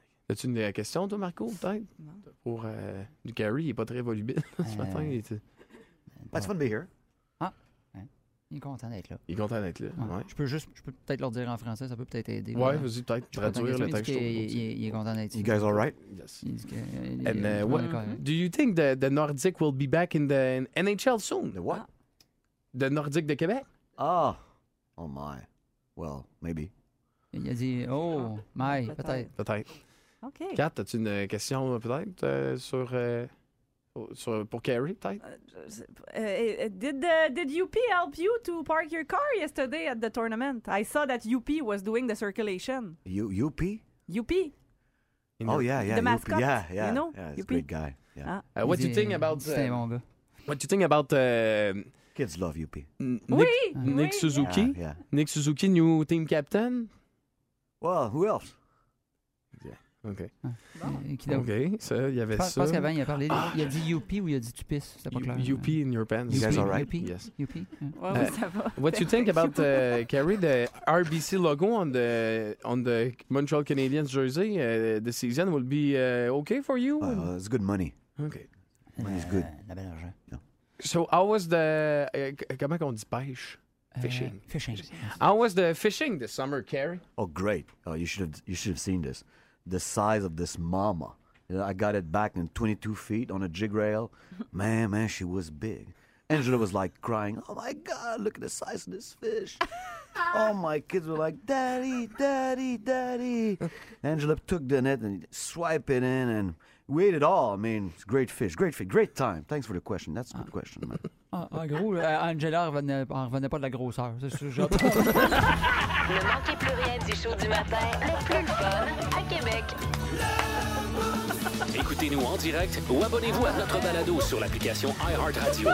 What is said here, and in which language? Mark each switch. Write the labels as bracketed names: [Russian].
[French] As-tu une question, toi, Marco, peut-être? Non. Pour Gary, il n'est pas très volubile ce matin. [English] It's fun to be here. [French] Ah, il est content d'être là. Il est content d'être là, ouais. Je peux peut-être leur dire en français, ça peut peut-être aider. Ouais, là. Vas-y, peut-être traduire le texte. Il est content d'être ici. [English] You guys all right? Yes. Do you think the Nordic will be back in the NHL soon? The what? The Nordic de Québec. Oh, oh my. Well, maybe. Il a dit, oh, my, peut-être. Peut-être. Okay. Kat, as-tu une question peut-être sur pour Carrie peut-être? Did UP help you to park your car yesterday at the tournament? I saw that UP was doing the circulation. UP? UP. You know? Oh yeah, yeah. The mascot. UP. Yeah, yeah. You know? Yeah, he's a great guy. Yeah. What do you think about? [French] C'est bon gars. [English] What do you think about? Kids love UP. Nick Suzuki. Yeah, yeah. Nick Suzuki, new team captain. Well, who else? [French] OK. Bon. OK, ça, il y avait Je pense qu'avant, il a parlé, il a dit UP ou il a dit tu pisses, c'est pas clair. [English] UP in your pants. You guys all right? UP? Yes. UP? Yeah. [French] Ouais, ça va. [English] What you think about, Kerry, the RBC logo on the Montreal Canadiens jersey this season will be OK for you? It's good money. OK. Money's good. [French] La belle argent. [English] Yeah. So how was the... [French] comment on dit pêche? [English] Fishing. How was the fishing this summer, Kerry? Oh, great. Oh, you should have seen this. The size of this mama. You know, I got it back in 22 feet on a jig rail. Man, she was big. Angela was like crying, oh my God, look at the size of this fish. All my kids were like, daddy, daddy, daddy. Angela took the net and swiped it in and we ate it all. I mean, it's great fish, great time. Thanks for the question. That's a good question, man. [French] En gros, Angela revenait pas de la grosseur. C'est ce genre. Ne manquez plus rien du show du matin, le plus fun à Québec. Écoutez-nous en direct ou abonnez-vous à notre balado sur l'application iHeartRadio.